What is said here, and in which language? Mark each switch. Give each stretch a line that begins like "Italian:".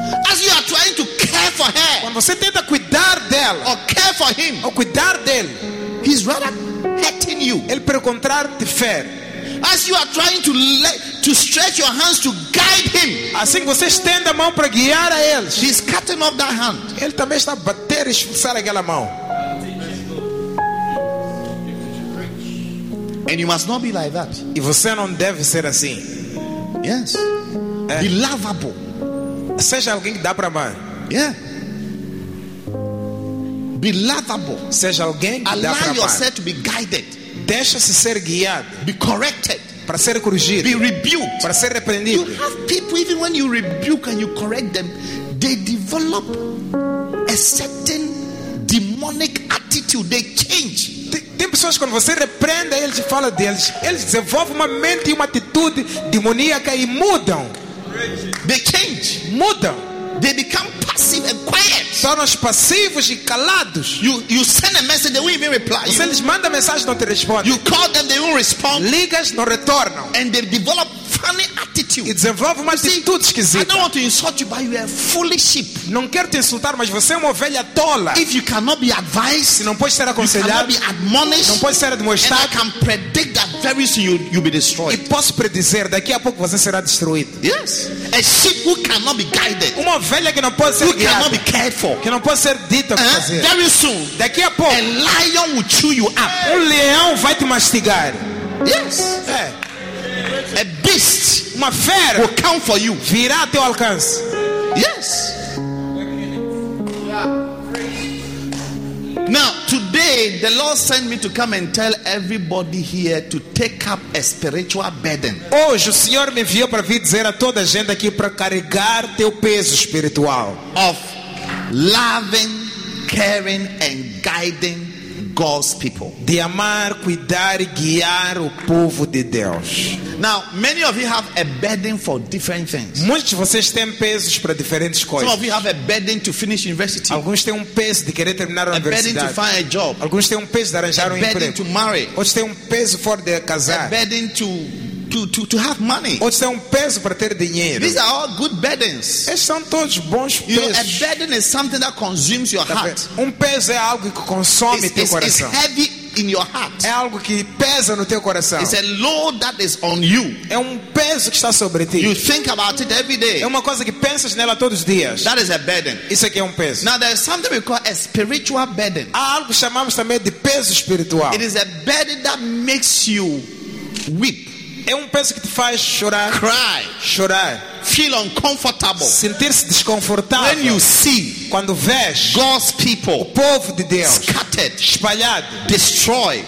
English: As you are trying to care for her,
Portuguese: quando você tenta cuidar dela,
English: or care for him,
Portuguese: ou cuidar dele,
English: he's rather hurting you.
Portuguese: Ele pelo contrário te fere.
English: As you are trying to stretch your hands to guide him,
Portuguese: assim você estende a mão para guiar a ele,
English: he's cutting off that hand.
Portuguese: Ele também está a bater e expulsar aquela mão.
English: And you must not be like that.
Portuguese: E você não deve ser assim.
English: Yes.
Portuguese: É.
English: Be lovable.
Portuguese: Seja alguém que dá para amar.
English: Yeah. Be lovable.
Portuguese: Seja alguém que
English: allow
Portuguese: dá para amar.
English: Yourself to be guided.
Portuguese: Deixa-se ser guiado.
English: Be corrected.
Portuguese: Para ser corrigido.
English: Be rebuked.
Portuguese: Para ser repreendido.
English: You have people, even when you rebuke and you correct them, they develop a certain demonic attitude. They change.
Portuguese: Tem pessoas quando você repreende eles e fala deles, eles desenvolvem uma mente e uma atitude demoníaca e mudam.
English: They change.
Portuguese: Mudam.
English: They become passive and quiet.
Portuguese: Tornam-se passivos e calados.
English: You send a message, they won't even reply.
Portuguese: Você lhes manda mensagem, não te respondem.
English: You call them, they won't respond.
Portuguese: Ligas, não retornam.
English: And they develop funny attitude.
Portuguese: E desenvolvem uma atitude esquisita.
English: I don't want to insult you, but you are foolish sheep.
Portuguese: Não quero te insultar, mas você é uma ovelha tola.
English: If you cannot be advised,
Portuguese: se não pode ser aconselhado,
English: you cannot be admonished,
Portuguese: não pode ser admoestado,
English: and I can predict that very soon you'll be destroyed.
Portuguese: E posso predizer daqui a pouco você será destruído.
English: Yes. A sheep who cannot be guided.
Portuguese: Uma ovelha que não pode ser guiada.
English: Who cannot be cared for.
Portuguese: Que não pode ser dita o que fazer.
English: Very soon,
Portuguese: daqui a pouco,
English: a lion will chew you up.
Portuguese: Um leão vai te mastigar.
English: Yes.
Portuguese: É.
English: A beast,
Portuguese: uma fera,
English: will come for you.
Portuguese: Virá ao teu alcance.
English: Yes. Now, today, the Lord sent me to come and tell everybody here to take up a spiritual burden.
Portuguese: Hoje o Senhor me enviou para vir dizer a toda a gente aqui para carregar teu peso espiritual.
English: Of loving, caring, and guiding God's people.
Portuguese: De amar, cuidar e guiar o povo de Deus.
English: Now, many of you have a burden for different things.
Portuguese: Muitos de vocês têm pesos para diferentes coisas.
English: Some of you have a burden to finish university.
Portuguese: Alguns têm peso de querer terminar a universidade.
English: A burden to find a job.
Portuguese: Alguns têm peso de arranjar emprego.
English: A burden to marry.
Portuguese: Outros têm peso
English: for
Portuguese: de casar.
English: A burden to have money.
Portuguese: Outros têm peso para ter dinheiro.
English: These are all good burdens.
Portuguese: Esses são todos bons pesos.
English: A burden is something that consumes your heart.
Portuguese: Peso é algo que consome teu coração.
English: It's heavy in your heart.
Portuguese: É algo que pesa no teu coração.
English: It's a load that is on you.
Portuguese: É peso que está sobre ti.
English: You think about it every day.
Portuguese: É uma coisa que pensas nela todos os dias.
English: That is a burden.
Portuguese: Isso aqui é peso.
English: Now there is something we call a spiritual burden.
Portuguese: Há algo que chamamos também de peso espiritual.
English: It is a burden that makes you weep.
Portuguese: É peso que te faz chorar.
English: Cry.
Portuguese: Chorar.
English: Feel uncomfortable.
Portuguese: Sentir-se desconfortável.
English: When you see,
Portuguese: quando vês,
English: God's people,
Portuguese: o povo de Deus,
English: scattered,
Portuguese: espalhado,
English: destroyed,